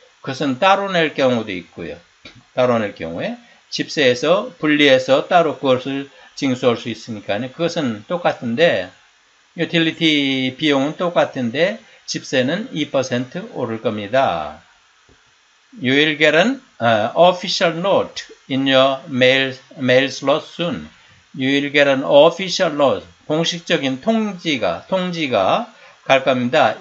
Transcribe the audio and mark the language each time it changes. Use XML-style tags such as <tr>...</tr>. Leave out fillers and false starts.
<ko>그것은 따로 낼 경우도 있고요. 따로 낼 경우에 집세에서 분리해서 따로 그것을 징수할 수 있으니까 그것은 똑같은데 유틸리티 비용은 똑같은데 집세는 2% 오를 겁니다.</ko> <en>You will get an official note in your mail slot soon. You will get an official note.</en> <ko>공식적인 통지가 갈 겁니다.</ko>